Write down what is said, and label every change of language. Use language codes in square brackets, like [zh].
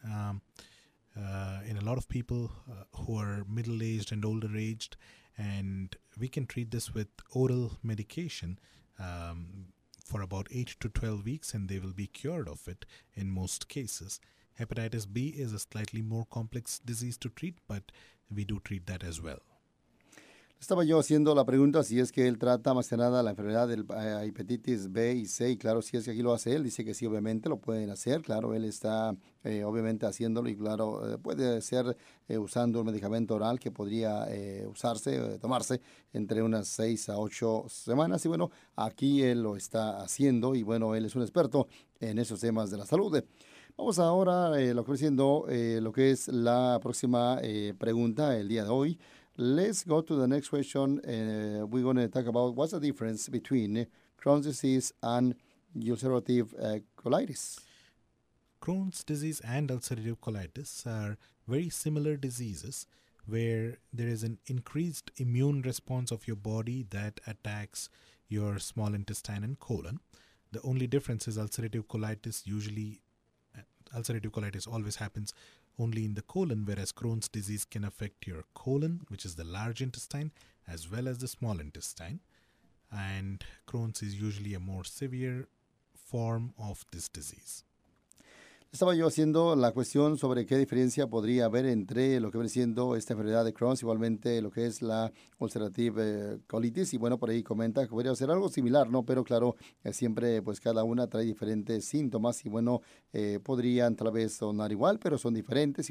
[en] In a lot of people who are middle-aged and older-aged, and we can treat this with oral medication for about 8 to 12 weeks, and they will be cured of it in most cases. Hepatitis B is a slightly more complex disease to treat, but we do treat that as well. [es] Estaba yo haciendo la pregunta si es que él trata más que nada la enfermedad de hepatitis B y C, y claro, si es que aquí lo hace él, dice que sí, obviamente lo pueden hacer, claro, él está obviamente haciéndolo y claro, puede ser usando un medicamento oral que podría usarse, tomarse entre unas 6 a 8 semanas, y bueno, aquí él lo está haciendo y bueno, él es un experto en esos temas de la salud. Vamos ahora lo que es la próxima pregunta el día de hoy. [en] Let's go to the next question. We're going to talk about what's the difference between Crohn's disease and ulcerative colitis. Crohn's disease and ulcerative colitis are very similar diseases where there is an increased immune response of your body that attacks your small intestine and colon. The only difference is ulcerative colitis always happens only in the colon, whereas Crohn's disease can affect your colon, which is the large intestine, as well as the small intestine. And Crohn's is usually a more severe form of this disease. [es] Estaba yo haciendo la cuestión sobre qué diferencia podría haber entre lo que viene siendo esta enfermedad de Crohn's, igualmente lo que es la [en] ulcerative colitis, [es] y bueno, por ahí comenta que podría ser algo similar, ¿no? Pero claro, siempre pues cada una trae diferentes síntomas y bueno, podrían tal vez sonar igual, pero son diferentes.